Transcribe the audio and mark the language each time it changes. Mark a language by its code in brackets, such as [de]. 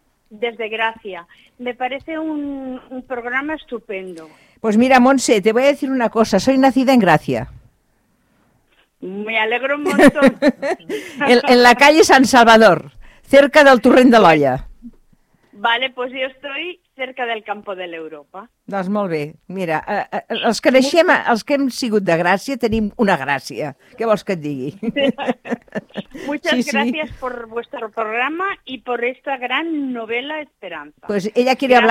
[es] Desde Gracia. Me parece un programa estupendo. Pues mira, Montse, te voy a decir una cosa. Soy nacida en Gracia. Me alegro un montón. en la calle San Salvador, cerca del Torrent de l'Olla. Vale, pues yo estoy cerca del Campo de l'Europa. [ca] Doncs molt bé. Mira, els que naixem, els que hem sigut de Gràcia, tenim una gràcia. Què vols que et digui? [es] Muchas sí. gracias por vuestro programa y por esta gran novela Esperanza. Pues ella quiere gracias.